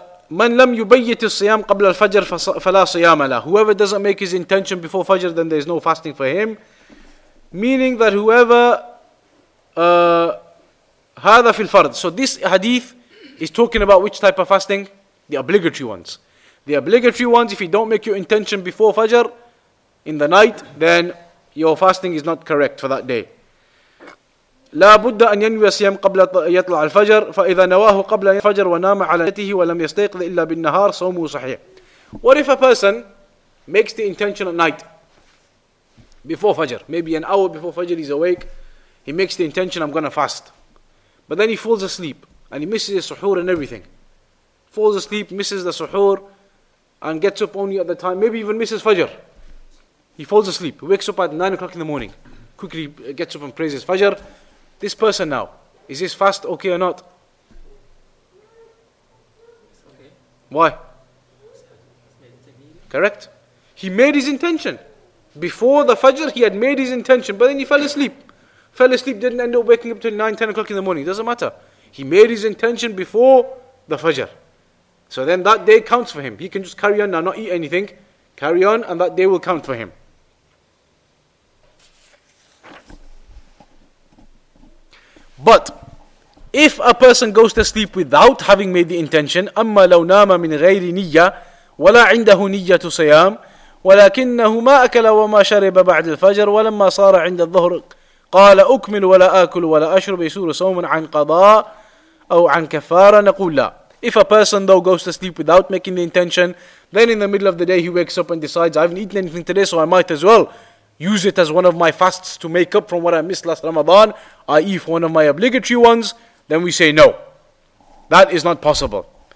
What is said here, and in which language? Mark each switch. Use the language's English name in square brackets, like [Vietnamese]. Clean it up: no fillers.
[Arabic] من لم يبيت الصيام قبل الفجر فلا صيام له. [English] Whoever doesn't make his intention before Fajr, then there is no fasting for him. Meaning that whoever [Arabic] هذا في الفرض. [English] So this hadith is talking about which type of fasting? The obligatory ones. The obligatory ones, if you don't make your intention before Fajr in the night, then your fasting is not correct for that day. [Arabic] لا بد أن ينوي الصيام قبل يطلع الفجر فإذا نواه قبل الفجر ونام على نيته ولم يستيقظ إلا بالنهار صومه صحيح. [English] What if a person makes the intention at night before Fajr, maybe an hour before Fajr he's awake, he makes the intention, I'm gonna fast, but then he falls asleep and he misses his suhoor and everything, falls asleep, misses the suhoor and gets up only at the time, maybe even misses Fajr, he falls asleep, he wakes up at 9 o'clock in the morning, quickly gets up and prays his Fajr. This person now, is his fast okay or not? Why? Correct? He made his intention. Before the Fajr, he had made his intention, but then he fell asleep. Fell asleep, didn't end up waking up till 9, 10 o'clock in the morning. Doesn't matter. He made his intention before the Fajr. So then that day counts for him. He can just carry on now, not eat anything. Carry on, and that day will count for him. But if a person goes to sleep without having made the intention, [Arabic] أما لو نام من غير نية ولا عنده نية صيام ولكنه ما أكل وما شرب بعد الفجر ولما صار عند الظهر قال أكمل ولا آكل ولا أشرب يسور صوم عن قضاء أو عن كفارة نقول لا. [English] If a person though goes to sleep without making the intention, then in the middle of the day he wakes up and decides, I haven't eaten anything today, so I might as well use it as one of my fasts to make up from what I missed last Ramadan, i.e. for one of my obligatory ones, then we say no. That is not possible.